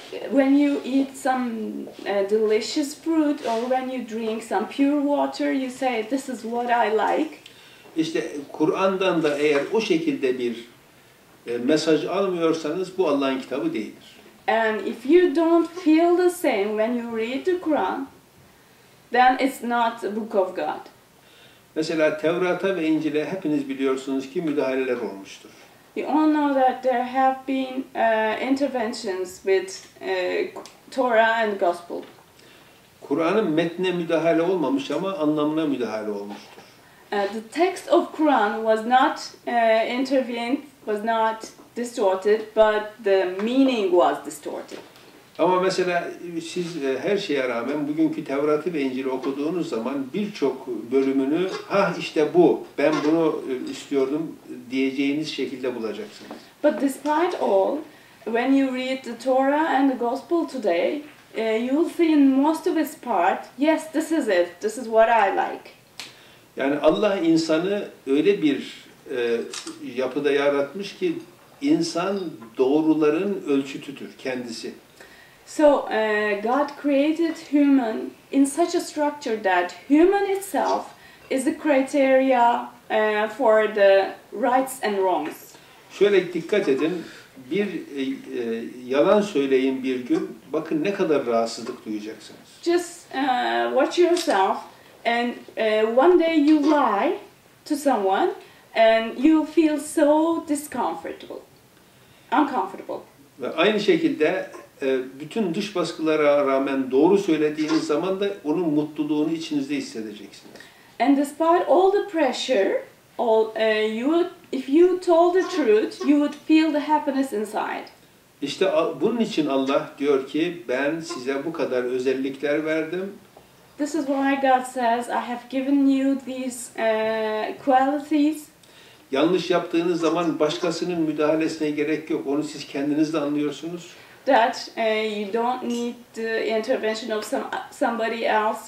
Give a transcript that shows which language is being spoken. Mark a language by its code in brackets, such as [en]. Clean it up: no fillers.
[en] when you eat some delicious fruit or when you drink some pure water you say this is what I like. [tr] İşte Kur'an'dan da eğer o şekilde bir mesaj almıyorsanız bu Allah'ın kitabı değildir. [en] And if you don't feel the same when you read the Quran, then it's not the book of God. [tr] Mesela Tevrat'a ve İncil'e hepiniz biliyorsunuz ki müdahaleler olmuştur. [en] You all know that there have been interventions with Torah and Gospel. [tr] Kur'an'ın metnine müdahale olmamış ama anlamına müdahale olmuştur. [en] The text of Quran was not intervened. Was not distorted, but the meaning was distorted. [tr] Ama mesela siz her şeye rağmen bugünkü Tevrat'ı ve İncil'i okuduğunuz zaman birçok bölümünü ha işte bu ben bunu istiyordum diyeceğiniz şekilde bulacaksınız. [en] But despite all, when you read the Torah and the Gospel today, you'll see in most of its part, yes, this is it, this is what I like. [tr] Yani Allah insanı öyle bir yapıda yaratmış ki insan doğruların ölçütüdür kendisi. [en] So God created human in such a structure that human itself is the criteria for the rights and wrongs. [tr] Şöyle dikkat edin. bir yalan söyleyin bir gün, bakın ne kadar rahatsızlık duyacaksınız. [en] Just watch yourself and one day you lie to someone and you feel so discomfortable, uncomfortable. [tr] Ve aynı şekilde bütün dış baskılara rağmen doğru söylediğiniz zaman da onun mutluluğunu içinizde hissedeceksiniz. [en] And despite all the pressure, all you would, if you told the truth, you would feel the happiness inside. [tr] İşte bunun için Allah diyor ki, ben size bu kadar özellikler verdim. [en] This is why God says, I have given you these qualities. [tr] Yanlış yaptığınız zaman başkasının müdahalesine gerek yok. Onu siz kendiniz de anlıyorsunuz. [en] That you don't need the intervention of somebody else.